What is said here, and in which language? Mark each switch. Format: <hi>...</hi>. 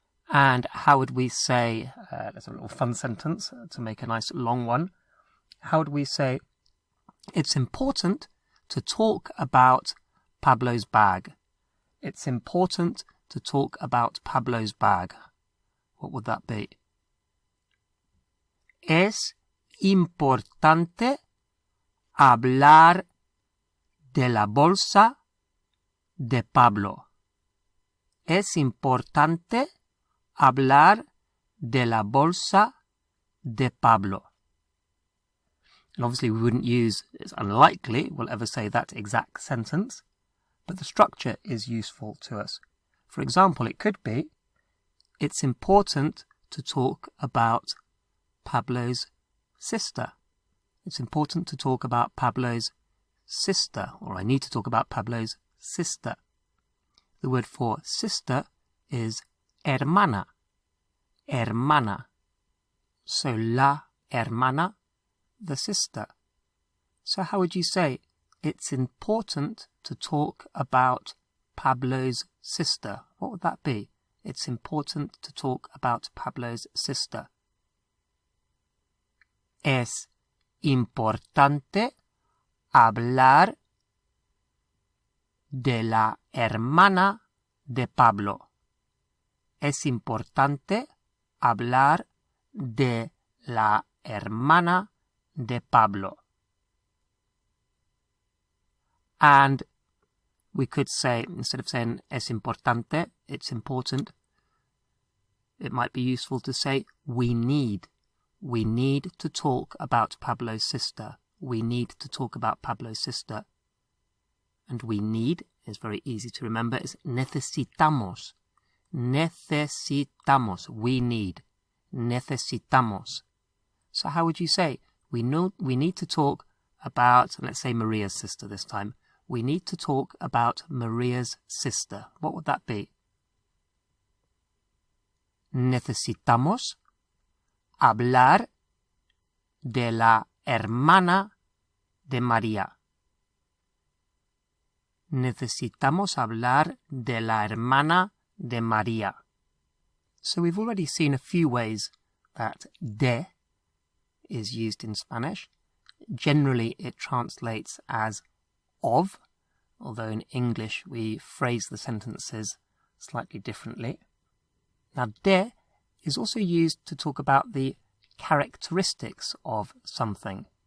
<en>And how would we say, that's a little fun sentence to make a nice long one. How would we say, it's important to talk about Pablo's bag. It's important to talk about Pablo's bag. What would that be?</en> <es>Es importante hablar de la bolsa de Pablo. Es importante hablar de la bolsa de Pablo.</es> <en>And obviously we wouldn't use, it's unlikely we'll ever say that exact sentence, but the structure is useful to us. For example, it could be, it's important to talk about Pablo's sister. It's important to talk about Pablo's sister, or I need to talk about Pablo's sister. The word for sister is hermana, hermana. So la hermana, the sister. So how would you say, it's important to talk about Pablo's sister? What would that be? It's important to talk about Pablo's sister.</en> <es>Es importante hablar de la hermana de Pablo. Es importante hablar de la hermana de Pablo.</es> <en>And we could say, instead of saying</en> <es>es importante,</es> <en>it's important, it might be useful to say we need to talk about Pablo's sister. We need to talk about Pablo's sister. And we need is very easy to remember. It's necesitamos. Necesitamos. We need.</en> <es>Necesitamos.</es> <en>So how would you say, we need to talk about, let's say Maria's sister this time. We need to talk about Maria's sister. What would that be?</en> <es>Necesitamos hablar de la hermana de María. Necesitamos hablar de la hermana de María.</es> <en>So we've already seen a few ways that de is used in Spanish. Generally, it translates as of, although in English we phrase the sentences slightly differently. Now, de is also used to talk about the characteristics of something.</en>